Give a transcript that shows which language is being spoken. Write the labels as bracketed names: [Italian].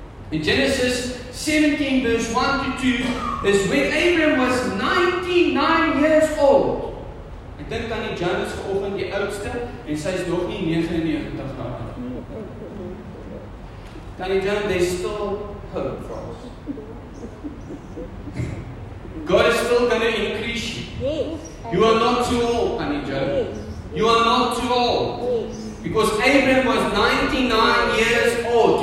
[English] In Genesis 17 verse 1 to 2 is when Abraham was 99 years old. [Afrikaans] Ek dink aan die Jonas vanoggend, die oudste, en sy is nog nie 99 jaar oud. [English] Can you tell them there's still hope for us? God is still going to increase you. You are not too old, can you tell them? You are not too old. Because Abraham was 99 years old.